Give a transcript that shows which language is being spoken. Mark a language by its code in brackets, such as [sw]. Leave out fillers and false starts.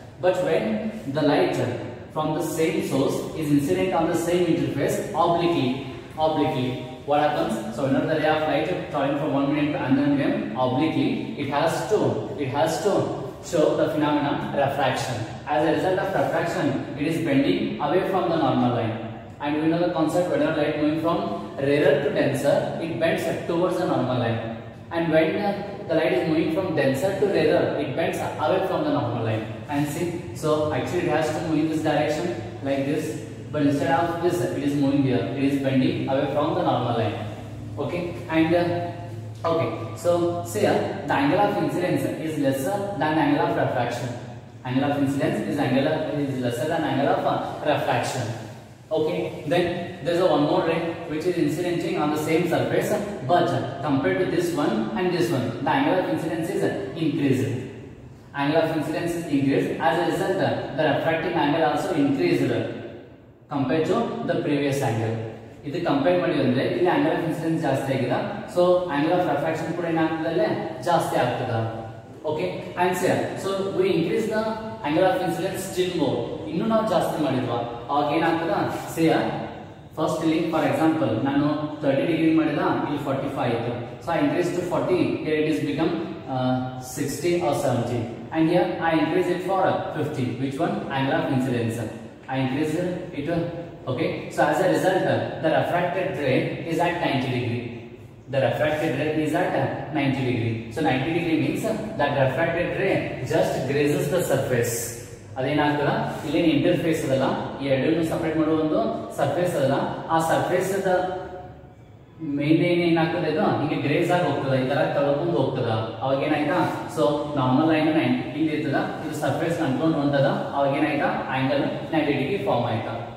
[en] But when the light from the same source is incident on the same interface obliquely what happens, so when the ray of light travelling from one minute to another minute obliquely, it has to show the phenomenon refraction. As a result of refraction, it is bending away from the normal line. And we know the concept, whenever light moving from rarer to denser, it bends towards the normal line. And when the light is moving from denser to rarer, it bends away from the normal line. And see, so actually it has to move in this direction like this, but instead of this, it is moving here. It is bending away from the normal line. Okay, and okay, so see here, the angle of incidence is lesser than the angle of refraction. Angle of incidence is lesser than angle of refraction. Okay, then there's one more ray which is incidenting on the same surface, but compared to this one and this one, the angle of incidence is increased. Angle of incidence is increased, as a result, the refracting angle also increased compared to the previous angle. [kn] ಇದು compare ಮಾಡಿ ಅಂದ್ರೆ ಇಲ್ಲಿ angle of incidence ಜಾಸ್ತಿ ಆಗಿದೆ, so angle of ರೆಫ್ರಾಕ್ಷನ್ ಕೂಡ ಏನಾಗ್ತದಲ್ಲ ಜಾಸ್ತಿ ಆಗ್ತದ. [en] okay, so we increase the angle of incidence still more, [kn] ಇನ್ನೂ ನಾವು ಜಾಸ್ತಿ ಮಾಡಿದ್ವ, ಆಗ ಏನಾಗ್ತದ ಸೇ ಫಸ್ಟ್ ಇಲ್ಲಿ ಫಾರ್ ಎಕ್ಸಾಂಪಲ್ ನಾನು 30 degrees ಮಾಡಿದ, ಇಲ್ಲಿ 45 ಇತ್ತು, [en] So I increase to 40, here it is become 60 or 70, and here I increase it for 50, which one angle of incidence I increase it. Okay, so as a result, the refracted ray is at 90 degrees. The refracted ray is at 90 degrees. So 90 degrees means that refracted ray just grazes the surface. [kn] ಅದೇನಾಗ್ತದ ಇಲ್ಲಿ interface ಅದಲ್ಲ, ಈ ಎರಡನ್ನು separate ಮಾಡುವ ಒಂದು surface ಅದಲ್ಲ, ಆ surface main ಏನಾಗ್ತದೆ ಅದು ಹಿಂಗೆ ಗ್ರೇಸ್ ಆಗಿ ಹೋಗ್ತದೆ, ಈ ತರ ತಳ್ಕೊಂಡು ಹೋಗ್ತದ. ಅವಾಗ ಏನಾಯ್ತಾ, ಸೊ ನಾರ್ಮಲ್ ಆಂಗಲ್ ಹಿಂಗೆ ಇರ್ತದ, ಇದು ಸರ್ಫೇಸ್ ಕಂಟ್ರೋಲ್ ಹೊಂದದ, ಅವಾಗ ಏನಾಯ್ತಾ ಆಂಗಲ್ 90 degrees ಫಾರ್ಮ್ ಆಯ್ತಾ.